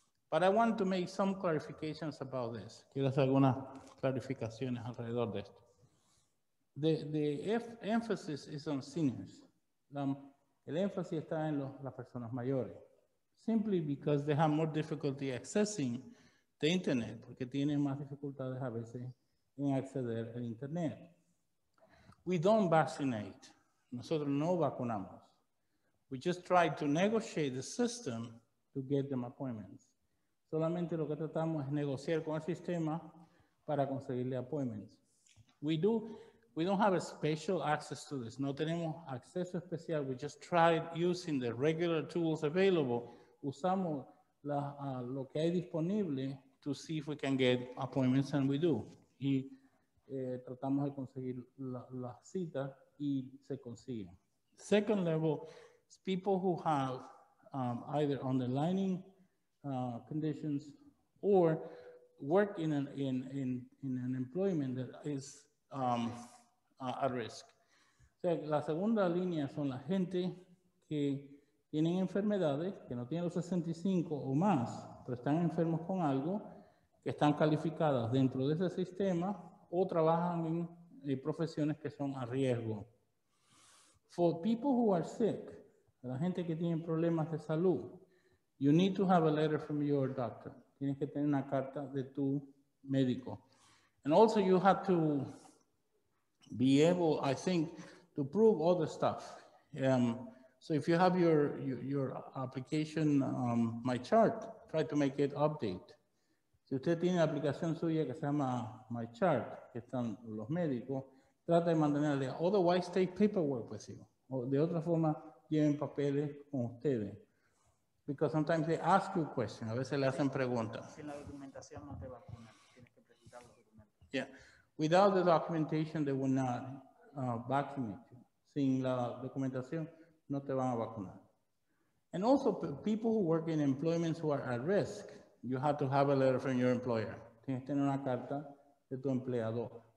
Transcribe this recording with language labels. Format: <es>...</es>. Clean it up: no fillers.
<en>But I want to make some clarifications about this.</en> <es>Quiero hacer algunas clarificaciones alrededor de esto.</es> <en>The emphasis is on seniors.</en> <es>El énfasis está en las personas mayores.</es> <en>Simply because they have more difficulty accessing the internet.</en> <es>Porque tienen más dificultades a veces en acceder al internet.</es> <en>We don't vaccinate.</en> <es>Nosotros no vacunamos.</es> <en>We just try to negotiate the system to get them appointments.</en> <es>Solamente lo que tratamos es negociar con el sistema para conseguirle appointments.</es> <en>We don't have a special access to this.</en> <es>No tenemos acceso especial.</es> <en>We just tried using the regular tools available.</en> <es>Usamos lo que hay disponible</es> <en>to see if we can get appointments, and we do.</en> <es>Y tratamos de conseguir la cita y se consigue.</es> <en>Second level is people who have either underlining conditions or work in an employment that is at risk.</en> <es>O sea, la segunda línea son la gente que tienen enfermedades, que no tienen los 65 o más, pero están enfermos con algo, que están calificadas dentro de ese sistema o trabajan en profesiones que son a riesgo.</es> <en>For people who are sick,</en> <es>la gente que tiene problemas de salud,</es> <en>you need to have a letter from your doctor.</en> <es>Tienes que tener una carta de tu médico.</es> <en>And also you have to be able, I think, to prove other stuff. So if you have your application, my chart, try to make it update.</en> <es>Si usted tiene la aplicación suya que se llama My Chart, que están los médicos, trata de mantenerla.</es> <en>Otherwise, take paperwork with you.</en> <es>O de otra forma, lleven papeles con ustedes.</es> <en>Because sometimes they ask you questions.</en> <es>A veces le hacen preguntas. Sin la documentación no te vacunan. Tienes que presentar los documentos. Yeah.</es> <en>Without the documentation, they will not vaccinate you.</en> <es>Sin la documentación, no te van a vacunar.</es> <en>And also, people who work in employments who are at risk, you have to have a letter from your employer.</en> <es>Tienes que tener una carta de tu empleador.</es>